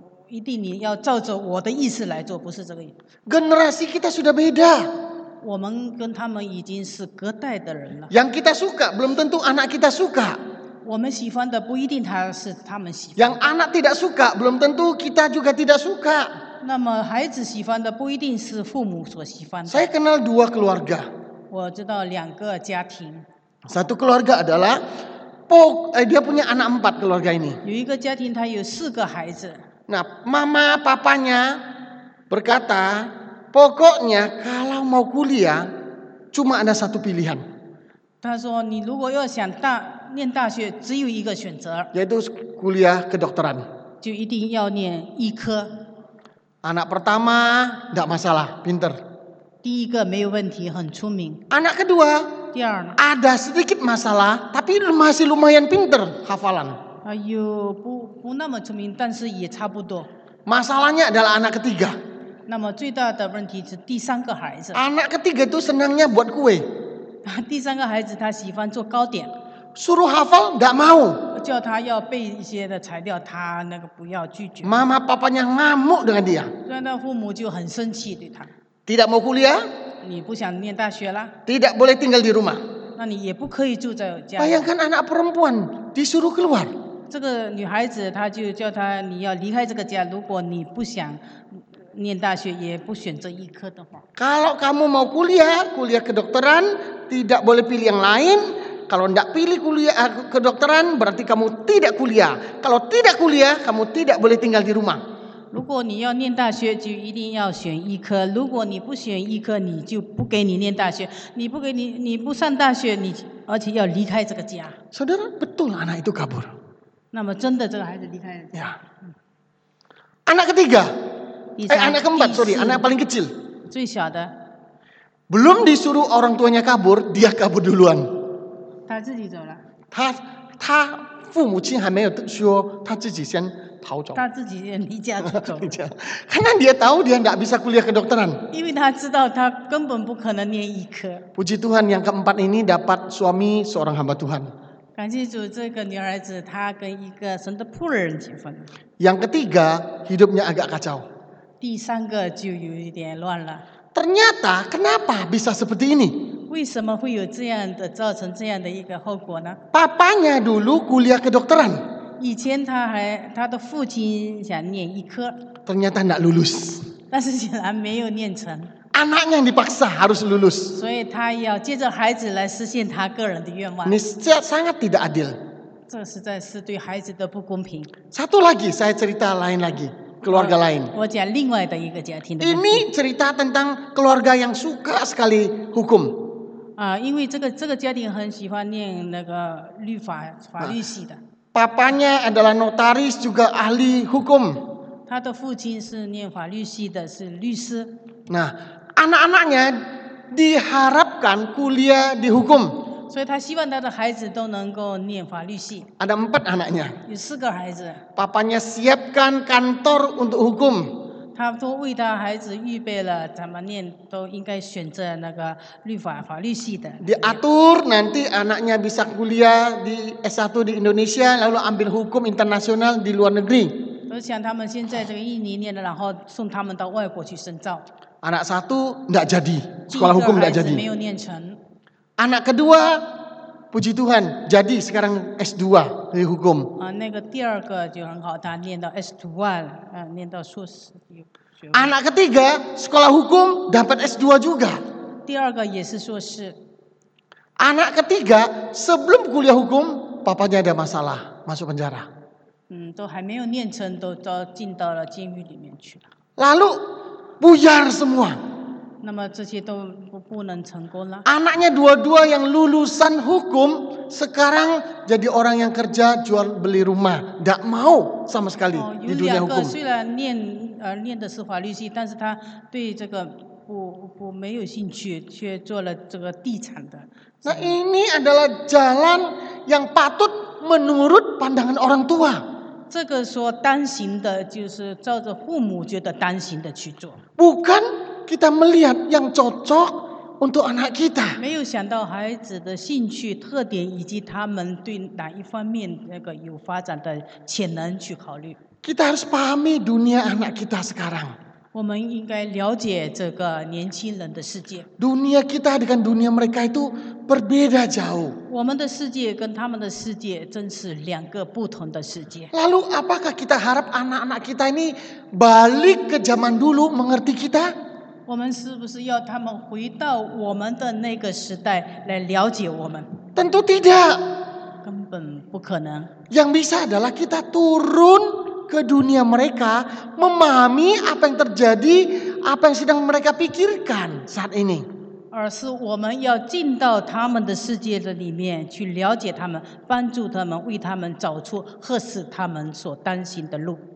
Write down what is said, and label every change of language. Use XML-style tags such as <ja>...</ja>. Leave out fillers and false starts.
<zh>一定你要照着我的意思来做，不是这个。</zh> <id>Generasi kita sudah beda.</id> <zh>我们跟他们已经是隔代的人了。</zh> <id>Yang kita suka belum tentu anak kita suka.</id> <zh>我们喜欢的不一定他是他们喜欢。</zh> <id>Yang anak tidak suka belum tentu kita juga tidak suka.</id> <zh>那么孩子喜欢的不一定是父母所喜欢的。</zh> <id>Saya kenal dua keluarga.</id> <zh>我知道两个家庭。</zh> <id>Satu keluarga adalah, dia punya anak empat keluarga ini.</id> <zh>有一个家庭他有四个孩子。</zh> <id>Nah, mama papanya berkata, pokoknya kalau mau kuliah, cuma ada satu pilihan.</id> <zh>他说你如果要想大念大学，只有一个选择。</zh> <id>Yaitu kuliah kedokteran.</id> <zh>就一定要念医科。</zh> <id>Anak pertama tidak masalah, pinter.</id> <zh>第一个没有问题，很聪明。</zh> <id>Anak kedua,</id> <zh>第二呢</zh> <id>ada sedikit masalah, tapi masih lumayan pinter hafalan. Ayo,</id> <zh>不那么聪明，但是也差不多。</zh> <id>Masalahnya adalah anak ketiga.</id> <zh>那么最大的问题是第三个孩子。</zh> <id>Anak ketiga itu senangnya buat kue.</id> <zh>第三个孩子他喜欢做糕点。</zh> <id>Suruh hafal tidak mau.</id> <zh>叫他要背一些的材料，他那个不要拒绝。</zh> <id>Mama papanya ngamuk dengan dia.</id> <zh>所以那父母就很生气对他。</zh> <id>Tidak mau kuliah?</id> <zh>你不想念大学啦？</zh> <id>Tidak boleh tinggal di rumah.</id> <zh>那你也不可以住在家。</zh> <id>Bayangkan anak perempuan disuruh keluar.</id> <zh>这个女孩子她就叫她你要离开这个家，如果你不想念大学也不选择医科的话。</zh> <id>Kalau kamu mau kuliah, kuliah kedokteran, tidak boleh pilih yang lain. Kalau tidak pilih kuliah kedokteran, berarti kamu tidak kuliah. Kalau tidak kuliah, kamu tidak boleh tinggal di rumah.</id> <zh>如果你要念大学，就一定要选医科。如果你不选医科，你就不给你念大学。你不上大学，你而且要离开这个家。</zh> <id>Saudara, betul anak itu kabur.</id> <zh>那么真的这个孩子离开了。</zh> <id>Ya. Anak ketiga. Anak keempat, sorry, anak paling kecil.</id> <zh>最小的。</zh> <id>Belum disuruh orang tuanya kabur, dia kabur duluan.</id> <zh>他自己走了。他父母亲还没有说，他自己先逃走。他自己先离家走。离家。</zh> <id>Karena dia tahu dia tidak bisa kuliah kedokteran。</id> <zh>因为他知道他根本不可能念医科。</zh> <id>Puji Tuhan, yang keempat ini dapat suami seorang hamba Tuhan。</id> <zh>感谢主，这个女孩子她跟一个神的仆人结婚。</zh> <id>Yang ketiga, hidupnya agak kacau。</id> <zh>第三个就有一点乱了。</zh> <id>Ternyata kenapa bisa seperti ini?</id> <zh>为什么会有这样的造成这样的一个后果呢？</zh> <id>Papanya dulu kuliah kedokteran.</id> <zh>以前他的父亲想念医科。</zh> <id>Ternyata tidak lulus.</id> <zh>但是竟然没有念成。</zh> <id>Anaknya yang dipaksa harus lulus.</id> <zh>所以他要借着孩子来实现他个人的愿望。</zh> <id>Ini sangat tidak adil.</id> <zh>这实在是对孩子的不公平。</zh> <id>Satu lagi, saya cerita lain lagi. Keluarga lain.</id> <zh>我讲另外的一个家庭的。</zh> <id>Ini cerita tentang keluarga yang suka sekali hukum.</id> <zh>啊，因为这个家庭很喜欢念那个律法法律系的。</zh> <id>Papanya adalah notaris juga ahli hukum.</id> <zh>他的父亲是念法律系的，是律师。</zh> <id>Nah, anak-anaknya diharapkan kuliah di hukum.</id> <zh>所以他希望他的孩子都能够念法律系。</zh> <id>Ada empat anaknya.</id> <zh>有四个孩子。</zh> <id>Papanya siapkan kantor untuk hukum.</id> <zh>他都为他孩子预备了，怎么念都应该选择那个律法法律系的。</zh> <id>Diatur nanti anaknya bisa kuliah di S1 di Indonesia, lalu ambil hukum internasional di luar negeri.</id> <zh>我想他们现在这个印尼念的，然后送他们到外国去深造。</zh> <id>Anak satu tidak jadi, sekolah hukum tidak jadi.</id> <zh>没有念成。</zh> <id>Anak kedua, puji Tuhan, jadi sekarang S2 di hukum.</id> <zh>啊，那个第二个就很好，他念到 S2 了，念到硕士。</zh> <id>Anak ketiga sekolah hukum dapat S2 juga.</id> <zh>第二个也是硕士。</zh> <id>Anak ketiga sebelum kuliah hukum papanya ada masalah masuk penjara.</id> <zh>都还没有念成，都进到了监狱里面去了。</zh> <id>Lalu buyar semua.</id> <zh>那么这些都不能成功了。</zh> <id>Anaknya dua-dua yang lulusan hukum sekarang jadi orang yang kerja jual beli rumah, tidak mau sama sekali di dunia hukum.</id> <zh>有两个虽然念念的是法律系，但是他对这个不没有兴趣，却做了这个地产的。</zh> <id>Nah, ini adalah jalan yang patut menurut pandangan orang tua.</id> <zh>这个说单行的，就是照着父母觉得单行的去做。</zh> <id>Bukan kita melihat yang cocok untuk anak kita.</id> <zh>没有想到孩子的兴趣特点以及他们对哪一方面那个有发展的潜能去考虑。</zh> <id>Kita harus pahami dunia anak kita sekarang.</id> <zh>我们应该了解这个年轻人的世界。</zh> <id>Dunia kita dengan dunia mereka itu berbeda jauh.</id> <zh>我们的世界跟他们的世界真是两个不同的世界。</zh> <id>Lalu apakah kita harap anak-anak kita ini balik ke zaman dulu mengerti kita?</id> <zh>我们是不是要他们回到我们的那个时代来了解我们？</zh> <id>Tentu tidak.</id> <zh>根本不可能。</zh> <id>Yang bisa adalah kita turun. Ke dunia mereka memahami apa yang terjadi, apa yang sedang mereka pikirkan saat ini.</id> <zh>而是我们要进到他们的世界的里面去了解他们，帮助他们，为他们找出合适他们所担心的路。</zh>